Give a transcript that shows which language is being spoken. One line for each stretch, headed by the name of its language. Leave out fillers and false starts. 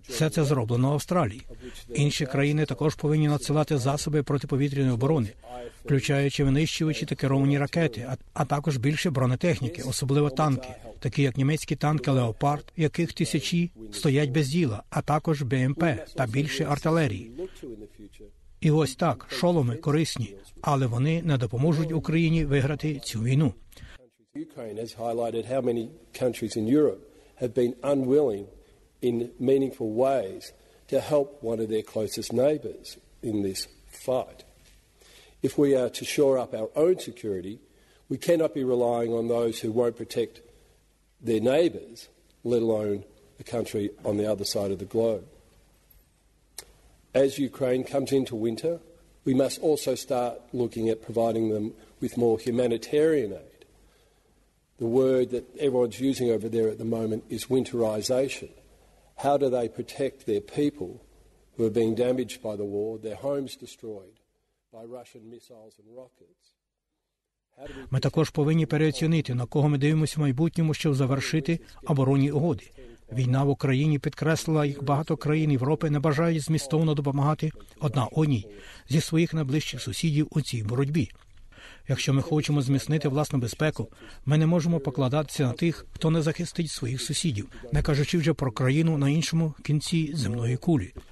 Ukrainian: Все це зроблено в Австралії. Інші країни також повинні надсилати засоби протиповітряної оборони, включаючи винищувачі та керовані ракети, а також більше бронетехніки, особливо танки, такі як німецькі танки «Леопард», яких тисячі стоять без діла, а також БМП та більше артилерії. І ось так, шоломи корисні, але вони не допоможуть Україні виграти цю війну.
English: Ukraine has highlighted how many countries in Europe have been unwilling in meaningful ways to help one of their closest neighbors in this fight. If we are to shore up our own security, we cannot be relying on those who won't protect their neighbors, let alone a country on the other side of the globe. As Ukraine comes into winter, we must also start looking at providing them with more humanitarian aid. The word that everyone's using over there at the moment is winterization. How do they protect their people who are being damaged by the war, their homes destroyed by Russian missiles and rockets?
Ukrainian: Ми також повинні переоцінити, на кого ми дивимося в майбутньому, щоб завершити оборонні угоди. Війна в Україні підкреслила, як багато країн Європи не бажають змістовно допомагати одна одній зі своїх найближчих сусідів у цій боротьбі. Якщо ми хочемо зміцнити власну безпеку, ми не можемо покладатися на тих, хто не захистить своїх сусідів, не кажучи вже про країну на іншому кінці земної кулі.